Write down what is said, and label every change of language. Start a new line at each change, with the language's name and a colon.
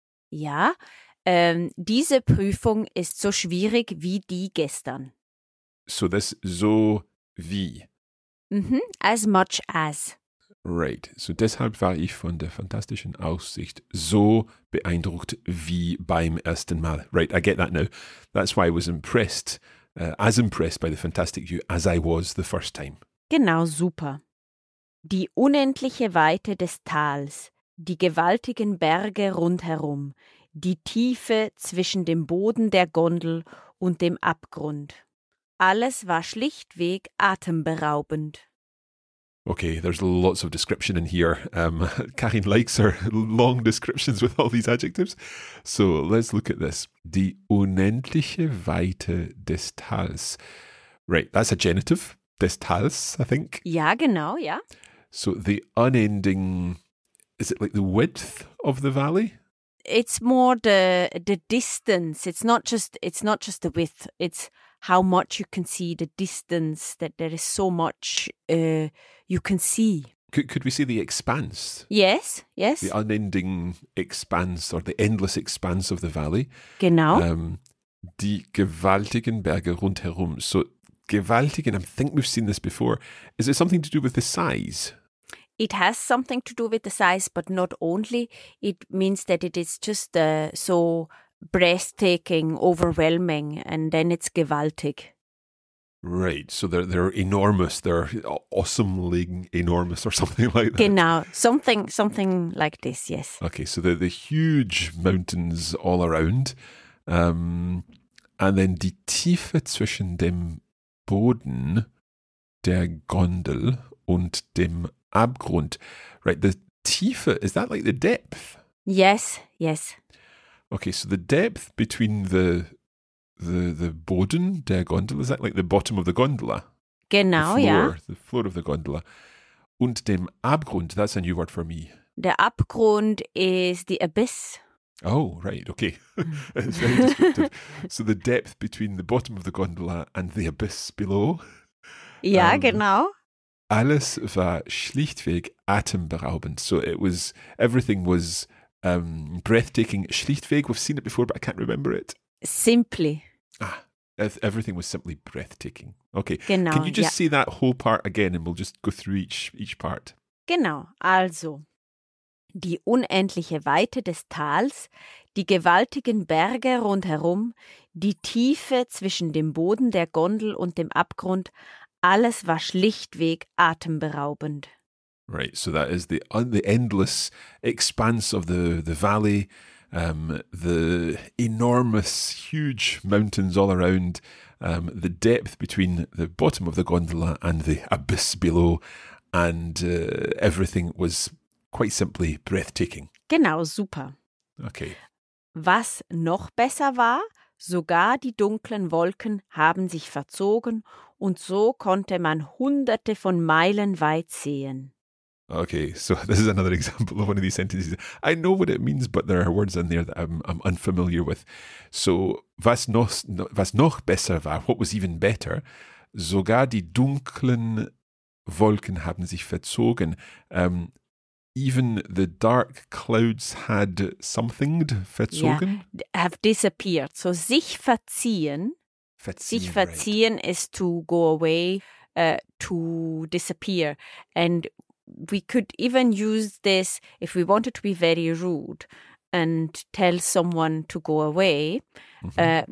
German: Ja, diese Prüfung ist so schwierig wie die gestern.
English: So this
German: so wie.
English: Mm-hmm, as much as.
German: Right, so deshalb war ich von der fantastischen Aussicht so beeindruckt wie beim ersten Mal.
English: Right, I get that now. That's why I was impressed. As impressed by the fantastic view as I was the first time.
German: Genau, super. Die unendliche Weite des Tals, die gewaltigen Berge rundherum, die Tiefe zwischen dem Boden der Gondel und dem Abgrund. Alles war schlichtweg atemberaubend.
English: Okay, there's lots of description in here. Karin likes her long descriptions with all these adjectives. So let's look at this.
German: Die unendliche Weite des Tals.
English: Right, that's a genitive,
German: des Tals,
English: I think.
German: Ja, genau, ja.
English: So the unending, is it like the width of the valley? It's more the distance. It's not just the width. It's how much you can see, the distance, that there is so much you can see. Could we see the expanse? Yes, yes. The unending expanse or the endless expanse of the valley.
German: Genau. Die gewaltigen Berge rundherum.
English: So gewaltigen, I think we've seen this before. Is it something to do with the size? It has something to do with the size, but not only. It means that it is just so breathtaking, overwhelming, and then it's gewaltig. Right, so they're enormous, they're awesomely enormous or something like that.
German: Genau,
English: something like this, yes. Okay, so the huge mountains all around, and then
German: die Tiefe zwischen dem Boden der Gondel und dem Abgrund.
English: Right, the Tiefe, is that like the depth? Yes, yes. Okay, so the depth between the
German: Boden der Gondel,
English: is that like the bottom of the gondola?
German: Genau,
English: the floor, yeah. The floor of the gondola.
German: Und dem Abgrund,
English: that's a new word for me. Der Abgrund is the abyss. Oh, right, okay. It's very descriptive. So the depth between the bottom of the gondola and the abyss below. Yeah,
German: genau. Alles war schlichtweg atemberaubend.
English: So it was, everything was breathtaking. Schlichtweg, we've seen it before, but I can't remember it. Simply. Ah, everything was simply breathtaking. Okay.
German: Genau,
English: can you just see that whole part again and we'll just go through each part?
German: Genau. Also, die unendliche Weite des Tals, die gewaltigen Berge rundherum, die Tiefe zwischen dem Boden der Gondel und dem Abgrund, alles war schlichtweg atemberaubend.
English: Right, so that is the endless expanse of the valley, the enormous, huge mountains all around, the depth between the bottom of the gondola and the abyss below, and everything was quite simply breathtaking.
German: Genau, super.
English: Okay.
German: Was noch besser war, sogar die dunklen Wolken haben sich verzogen und so konnte man hunderte von Meilen weit sehen.
English: Okay, so this is another example of one of these sentences. I know what it means, but there are words in there that I'm unfamiliar with. So,
German: was noch besser war,
English: what was even better,
German: sogar die dunklen Wolken haben sich verzogen.
English: Even the dark clouds had somethinged, verzogen? Yeah, have disappeared. So,
German: sich verziehen. Verziehen, sich verziehen,
English: right. Is to go away, to disappear. And we could even use this if we wanted to be very rude and tell someone to go away. Mm-hmm.